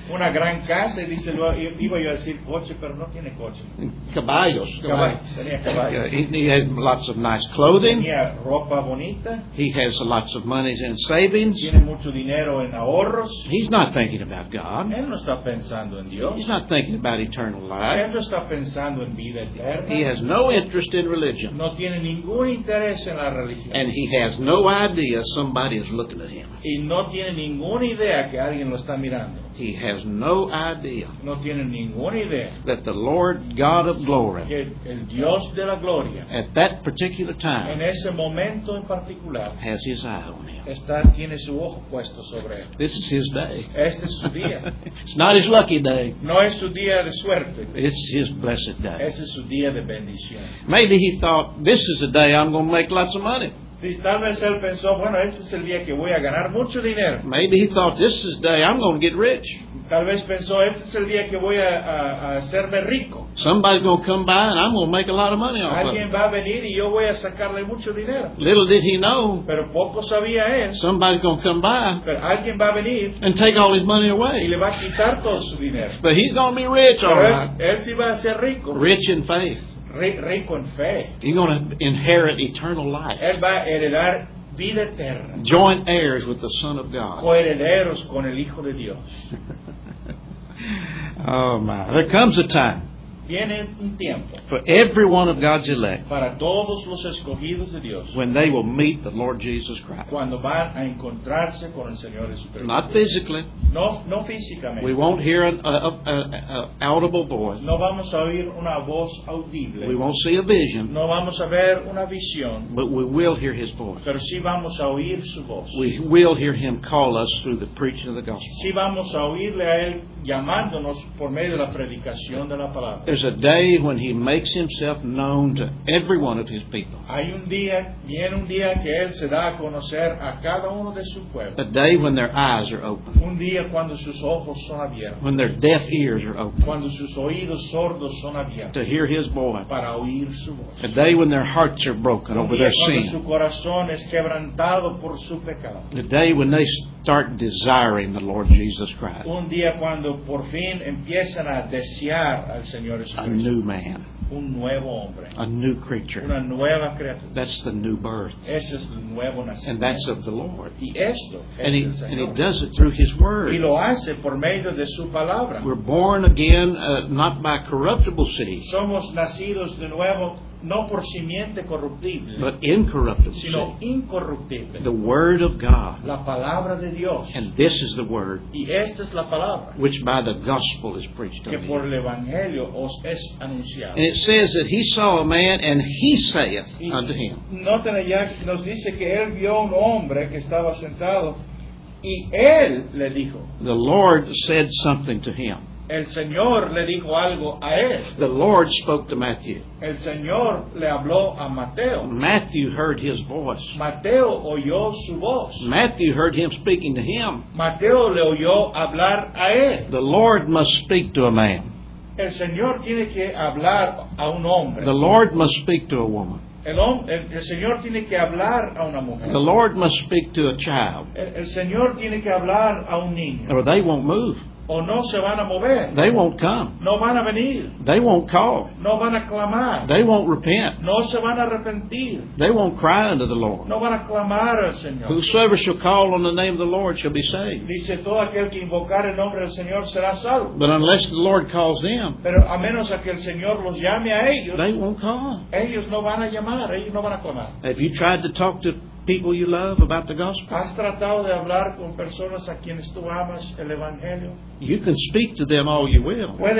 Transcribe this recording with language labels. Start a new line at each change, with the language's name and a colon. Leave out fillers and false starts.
Spanish: Una gran casa. Y dice, iba yo a decir coche, pero no tiene coche. Caballos. Caballos.
English: He has lots of nice clothing.
Spanish: Tenía ropa bonita.
English: He has lots of money in savings.
Spanish: Tiene mucho dinero en ahorros.
English: He's not thinking about God.
Spanish: Él no está pensando en Dios.
English: He's not thinking about eternal life.
Spanish: Él no está pensando en vida eterna.
English: He has no interest in religion.
Spanish: No tiene ningún interés en la religión.
English: And he has no idea somebody is looking at him.
Spanish: Y no tiene ninguna idea que alguien lo está mirando.
English: He has no idea.
Spanish: No tiene ninguna idea.
English: That the Lord God of glory.
Spanish: Que el Dios de la gloria.
English: At that particular time.
Spanish: En ese momento en particular.
English: Has his eye on him.
Spanish: Está, tiene su ojo puesto sobre él.
English: This is his day.
Spanish: Este es su día.
English: It's not his lucky day.
Spanish: No es su día de suerte.
English: It's his blessed day.
Spanish: Este es su día de bendición.
English: Maybe he thought, this is the day I'm going to make lots of money.
Spanish: Tal vez él pensó, bueno, este es el día que voy a ganar mucho dinero.
English: Maybe he thought, this is the day I'm going to get rich.
Spanish: Tal vez pensó, este es el día que voy a hacerme rico.
English: Somebody's going to come by and I'm going to make a lot of money off of it.
Spanish: Alguien va a venir y yo voy a sacarle mucho dinero.
English: Little did he know.
Spanish: Pero poco sabía él.
English: Somebody's going to come by.
Spanish: Pero alguien va a venir.
English: And take all his money away.
Spanish: Y le va a quitar todo su dinero.
English: But he's going to be rich,
Spanish: pero
English: all
Spanish: él,
English: right.
Spanish: Él sí va a ser rico.
English: Rich in faith.
Spanish: Rico en fe.
English: He's going to inherit eternal life.
Spanish: Él va a heredar vida eterna.
English: Joint heirs with the Son of God.
Spanish: Coherederos con el Hijo de Dios.
English: Oh my. There comes a time.
Spanish: Viene un tiempo.
English: For every one of God's elect.
Spanish: Para todos los escogidos de Dios.
English: When they will meet the Lord Jesus Christ.
Spanish: Cuando van a encontrarse con el Señor Jesucristo.
English: Not physically.
Spanish: No físicamente.
English: We won't hear an audible voice.
Spanish: No vamos a oír una voz audible.
English: We won't see a vision.
Spanish: No vamos a ver una visión.
English: But we will hear his voice.
Spanish: Pero sí vamos a oír su voz.
English: We will hear him call us through the preaching of the gospel.
Spanish: Sí vamos a oírle a él llamándonos por medio de la predicación de la palabra.
English: There's is a day when he makes himself known to every one of his people.
Spanish: Hay un día, viene un día que él se da a conocer a cada uno de su pueblo.
English: A day when their eyes are open.
Spanish: Un día cuando sus ojos son abiertos.
English: When their deaf ears are open.
Spanish: Cuando sus oídos sordos son abiertos.
English: To hear his voice.
Spanish: Para oír su voz.
English: A day when their hearts are broken over their sin.
Spanish: Un día cuando su corazón es quebrantado por su pecado.
English: A day when they start desiring the Lord Jesus Christ.
Spanish: Un día cuando por fin empiezan a desear al Señor Jesucristo.
English: A new man.
Spanish: Un nuevo hombre.
English: A new creature.
Spanish: Una nueva criatura.
English: That's the new birth.
Spanish: Ese es el nuevo nacimiento.
English: And that's of the Lord.
Spanish: Y esto es
English: and, he does it through his word.
Spanish: Y lo hace por medio de su palabra.
English: We're born again, not by corruptible seed.
Spanish: Somos nacidos de nuevo. No por simiente corruptible,
English: but incorruptible,
Spanish: sino incorruptible.
English: The word of God,
Spanish: la palabra de Dios,
English: and this is the word,
Spanish: y esta es la palabra,
English: which by the gospel is preached
Spanish: que por el evangelio os es anunciado.
English: And it says that he saw a man, and he saith unto him.
Spanish: Noten allá, nos dice que él vio un hombre que estaba sentado, y él le dijo.
English: The Lord said something to him.
Spanish: El Señor le dijo algo a él.
English: The Lord spoke to Matthew.
Spanish: El Señor le habló a Mateo.
English: Matthew heard his voice.
Spanish: Mateo oyó su voz.
English: Matthew heard him speaking to him.
Spanish: Mateo le oyó hablar a él.
English: The Lord must speak to a man.
Spanish: El Señor tiene que hablar a un hombre.
English: The Lord must speak to a woman.
Spanish: El Señor tiene que hablar a una mujer.
English: The Lord must speak to a child.
Spanish: El Señor tiene que hablar a un niño.
English: Or they won't move.
Spanish: O no se van a mover.
English: They won't come.
Spanish: No van a venir.
English: They won't call.
Spanish: No van a clamar.
English: They won't repent.
Spanish: No se van a arrepentir.
English: They won't cry unto the Lord.
Spanish: No van a clamar al Señor.
English: Whosoever shall call on the name of the Lord shall be saved.
Spanish: Dice, todo aquel que invocar el nombre del Señor será salvo.
English: But unless the Lord calls them,
Spanish: pero a menos a que el Señor los llame a ellos,
English: they won't come.
Spanish: Ellos no van a llamar. Ellos no van a clamar.
English: Have you tried to talk to people you love about the gospel?
Spanish: ¿Has tratado de hablar con personas a quienes tú amas el evangelio?
English: You can speak to them all you will.